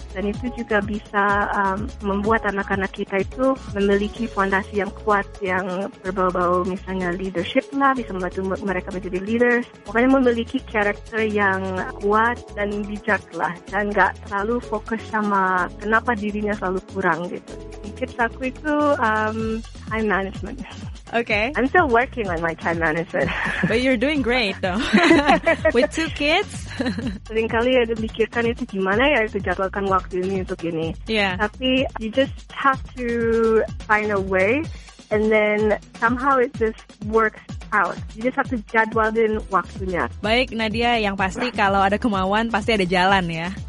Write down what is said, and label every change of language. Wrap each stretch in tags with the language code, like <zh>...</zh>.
<id>Dan itu juga bisa membuat anak-anak kita itu memiliki fondasi yang kuat, yang berbau-bau misalnya leadership lah, bisa membantu mereka menjadi leaders. Pokoknya memiliki karakter yang kuat dan bijak lah, dan gak terlalu fokus sama kenapa dirinya selalu kurang gitu. Tips aku itu time management. Okay.</id> <en>I'm still working on my time management. But you're doing great though. With two kids.</en> <id>Seringkali ada mikirkan itu gimana ya itu jadwalkan waktu ini untuk ini. Yeah. Tapi</id> <en>you just have to find a way and then somehow it just works out. You just have to</en> <id>jadwalin waktunya. Baik Nadia, yang pasti kalau ada kemauan pasti ada jalan ya.</id>